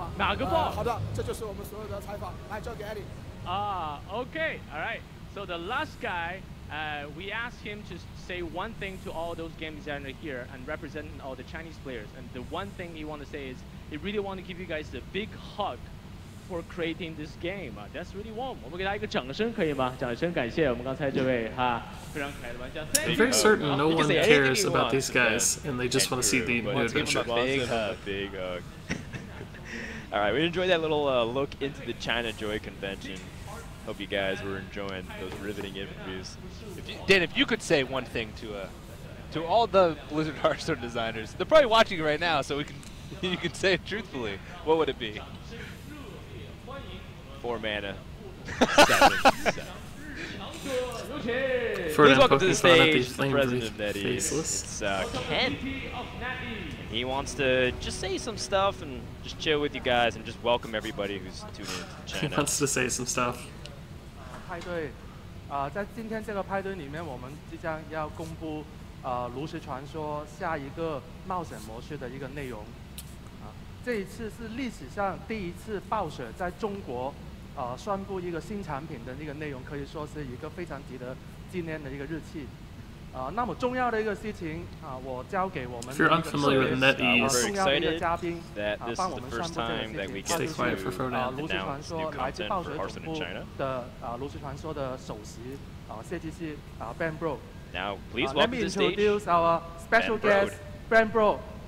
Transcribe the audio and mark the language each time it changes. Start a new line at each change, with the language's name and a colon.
English: Okay, alright. So the last guy, we asked him to say one thing to all those game designers here and representing all the Chinese players. And the one thing he wants to say is he really wants to give you guys a big hug for creating this game. That's really warm.
Chinese: 我们给他一个掌声可以吗?掌声感谢我们刚才这位, 哈, 非常可爱的玩家,
English: I'm very certain no one cares about these guys and they just want to see the new adventure. Big hug. Alright, we enjoyed that little look into the China Joy Convention. Hope you guys were enjoying those riveting interviews. If you could say one thing to all the Blizzard Hearthstone designers, they're probably watching right now, so you can say it truthfully. What would it be? 4 mana. Please welcome to the stage, the President of NetEase. It's Ken. He wants to just say some stuff and just chill with you guys and just welcome everybody who's tuned in to the channel. He wants to say some stuff.
Chinese: 派对，在今天这个派对里面，我们即将要公布《炉石传说》下一个冒险模式的一个内容。这一次是历史上第一次暴雪在中国宣布一个新产品的一个内容，可以说是一个非常值得纪念的一个日期。那么重要的一个事情，我交给我们
English: If you're unfamiliar with NetEase, excited that this is the first time that we get to announce new content for Hearthstone in China.
Chinese: 炉石传说的首席设计师Ben Bro.
English: Now, please welcome to the stage. Let me introduce our special guest, Ben Bro.